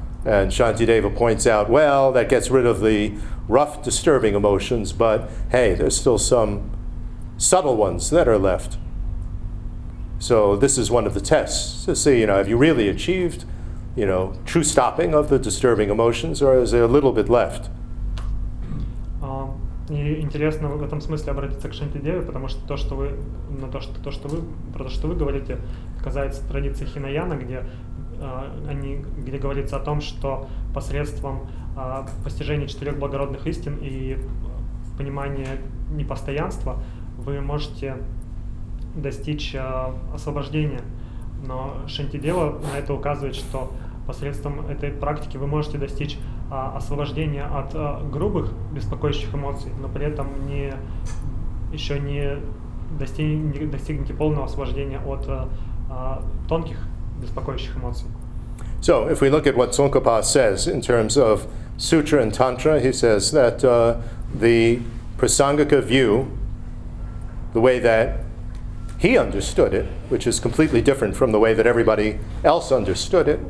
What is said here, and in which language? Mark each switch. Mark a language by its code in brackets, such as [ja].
[en] And Shantideva points out, well, that gets rid of the rough, disturbing emotions, but hey, there's still some subtle ones that are left. So this is one of the tests to see, you know, have you really achieved, you know, true stopping of the disturbing emotions, or is there a little bit left? [ru] И интересно в этом смысле обратиться к Шантидеве, потому что то, что вы говорите, касается традиции Хинаяна, где говорится о том, что посредством постижения четырех благородных истин и понимания непостоянства вы можете достичь освобождения. Но Шантидева на это указывает, что посредством этой практики вы можете достичь освобождения от грубых, беспокоящих эмоций, но при этом не достигнете полного освобождения от тонких, беспокоящих эмоций. [en] So, if we look at what Tsongkhapa says in terms of sutra and tantra, he says that the prasangika view, the way that he understood it, which is completely different from the way that everybody else understood it.